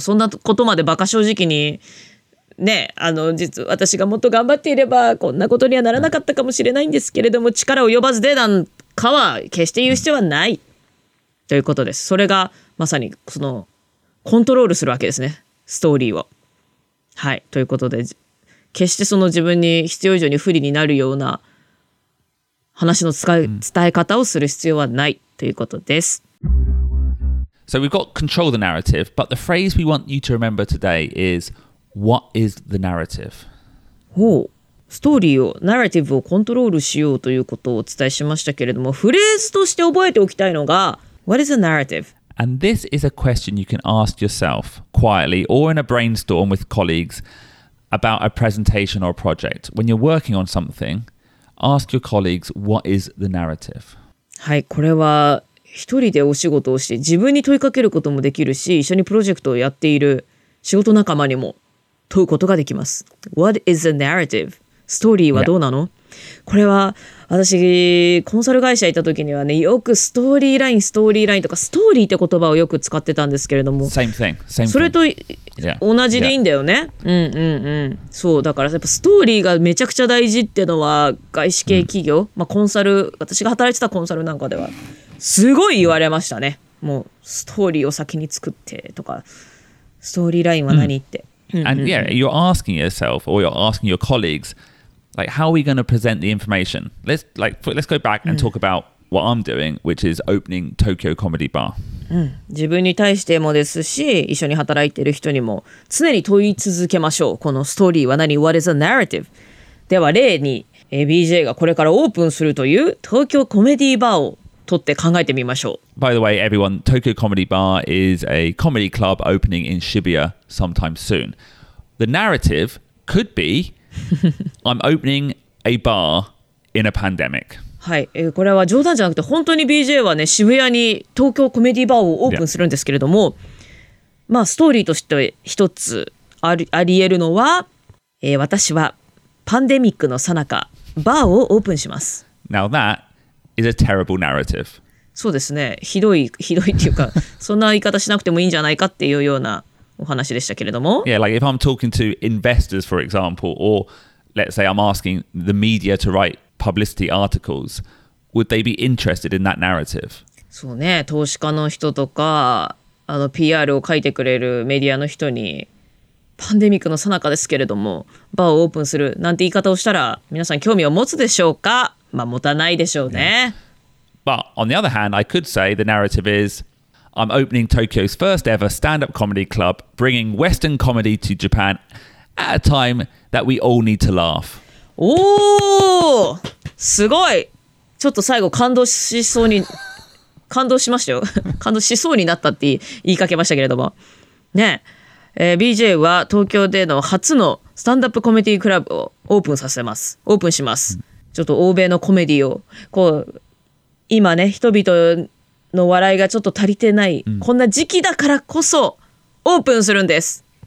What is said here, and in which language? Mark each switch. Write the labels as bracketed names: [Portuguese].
[Japanese] そんなことまでバカ正直にね、あの実は私がもっと頑張っていればこんなことにはならなかったかもしれないんですけれども、力を及ばずでなんかは決して言う必要はないということです。それがまさにそのコントロールするわけですね、ストーリーを。はい、ということで決してその自分に必要以上に不利になるような話の伝え方をする必要はないということです。 [English] So we've got control the narrative, but the phrase we want you to remember today is what is the narrative? [Japanese] おう、ストーリーを、ナラティブをコントロールしようということをお伝えしましたけれども、フレーズとして覚えておきたいのが [English] what is the narrative? And this is a question you can ask yourself quietly or in a brainstorm with colleagues about a presentation or a project. When you're working on something, ask your colleagues what is the narrative? [Japanese] はい、これは一人でお仕事をして自分に問いかけることもできるし、一緒にプロジェクトをやっている仕事仲間にも問うことができます。 [English] What is the narrative? [Japanese] ストーリーはどうなの？ [English] Yeah. [Japanese] これは私コンサル会社いた時にはね、よくストーリーライン、ストーリーラインとかストーリーって言葉をよく使ってたんですけれども、 [English] Same thing. Same thing. [Japanese] それと、yeah. 同じでいいんだよね。Yeah. うんうんうん。そうだからやっぱストーリーがめちゃくちゃ大事ってのは外資系企業、mm. まあコンサル、私が働いてたコンサルなんかではすごい言われましたね。もうストーリーを先に作ってとか、ストーリーラインは何って。 Mm. [English] And yeah, you're asking yourself or you're asking your colleagues, like, how are we going to present the information? Let's go back and talk about what I'm doing, which is opening Tokyo Comedy Bar. [Japanese] 自分に対してもですし、一緒に働いている人にも常に問い続けましょう。このストーリーは何？ [English] What is a narrative? [Japanese] では例に、BJ がこれからオープンするという東京コメディーバーを取って考えてみましょう。 [English] By the way, everyone, Tokyo Comedy Bar is a comedy club opening in Shibuya sometime soon. The narrative could be, I'm opening a bar in a pandemic. [Japanese] はい、これは冗談じゃなくて本当に BJ はね、渋谷に東京コメディーバーをオープンするんですけれども、yeah. まあストーリーとして一つありえるのは、私はパンデミックの最中バーをオープンします。 [English] Now thatis a terrible narrative. [Japanese] そうですね。ひどい、ひどいっていうか、そんな言い方しなくてもいいんじゃないかっていうようなお話でしたけれども。 [English] Yeah, like if I'm talking to investors, for example, or let's say I'm asking the media to write publicity articles, would they be interested in that narrative? [Japanese] そうね。投資家の人とか、あの PR を書いてくれるメディアの人に、パンデミックの最中ですけれども、バーをオープンするなんて言い方をしたら、皆さん興味を持つでしょうか？まあ、持たないでしょうね。 [English] Yeah. But on the other hand, I could say the narrative is I'm opening Tokyo's first ever stand-up comedy club, bringing Western comedy to Japan at a time that we all need to laugh. [Japanese] おお、すごい。ちょっと最後感動しそうに感動しましたよ。感動しそうになったって言いかけましたけれども、ね、BJ は東京での初のスタンダップコメディークラブをオープンさせます。オープンします。うん、ちょっと欧米のコメディをこう今ね、人々の笑いがちょっと足りてない、うん、こんな時期だからこそオープンするんです。